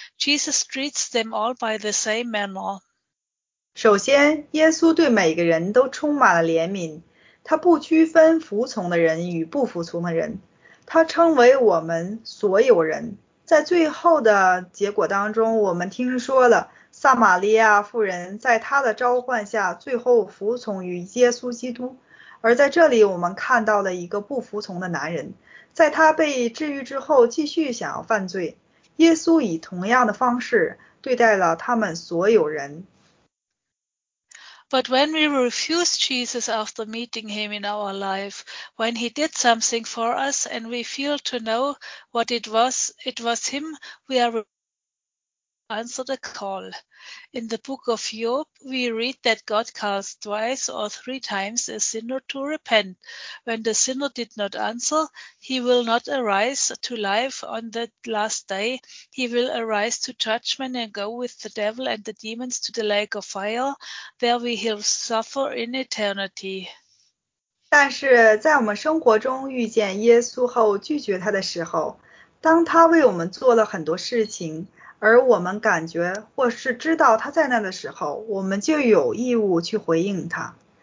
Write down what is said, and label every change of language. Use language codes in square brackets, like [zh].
[en] Jesus treats them all by the same manner. [zh] 首先，耶稣对每个人都充满了怜悯，他不区分服从的人与不服从的人，他称为我们所有人。在最后的结果当中，我们听说了撒玛利亚妇人在他的召唤下最后服从于耶稣基督，而在这里我们看到了一个不服从的男人，在他被治愈之后继续想要犯罪，耶稣以同样的方式对待了他们所有人。 [en] But when we refuse Jesus after meeting him in our life, when he did something for us and we feel to know what it was him, we are answered a call. In the book of Job, we read that God calls twice or three times a sinner to repent. When the sinner did not answer, he will not arise to life on the last day. He will arise to judgment and go with the devil and the demons to the lake of fire. There we will suffer in eternity. [zh] 但是在我们生活中遇见耶稣后拒绝他的时候，当他为我们做了很多事情，而我们感觉或是知道他在那的时候，我们就有义务去回应他。